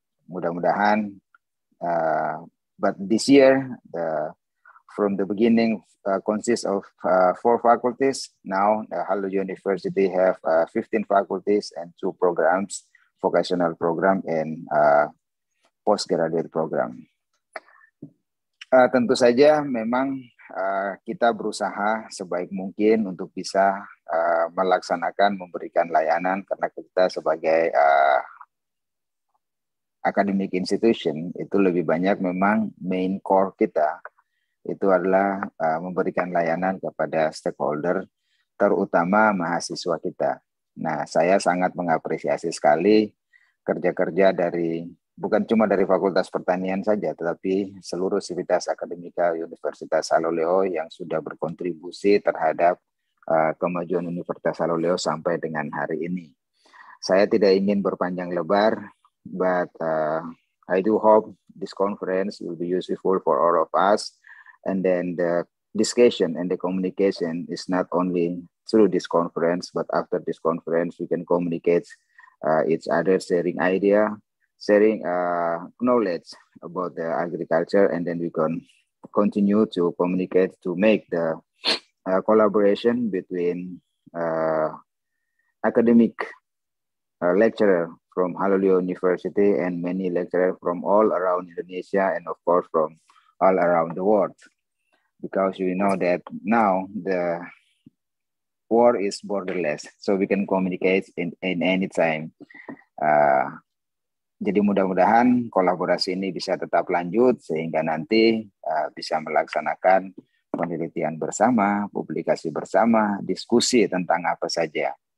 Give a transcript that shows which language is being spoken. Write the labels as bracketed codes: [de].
[id] Mudah-mudahan, [en] but this year, the from the beginning consists of four faculties. Now, Halu University have 15 faculties and two programs, vocational program and postgraduate program. [id] Tentu saja memang kita berusaha sebaik mungkin untuk bisa melaksanakan, memberikan layanan, karena kita sebagai academic institution itu lebih banyak memang main core kita itu adalah memberikan layanan kepada stakeholder, terutama mahasiswa kita. Nah, saya sangat mengapresiasi sekali kerja-kerja dari bukan cuma dari Fakultas Pertanian saja, tetapi seluruh sivitas akademika Universitas Halu yang sudah berkontribusi terhadap kemajuan Universitas Halu sampai dengan hari ini. Saya tidak ingin berpanjang lebar, [en] but I do hope this conference will be useful for all of us, and then the discussion and the communication is not only through this conference, but after this conference, we can communicate each other, sharing idea, sharing knowledge about the agriculture, and then we can continue to communicate to make the collaboration between academic lecturer from Halu University and many lecturers from all around Indonesia and of course from all around the world. Because we know that now the war is borderless, so we can communicate in any time. [id] Jadi mudah-mudahan kolaborasi ini bisa tetap lanjut sehingga nanti bisa melaksanakan penelitian bersama, publikasi bersama, diskusi tentang apa saja.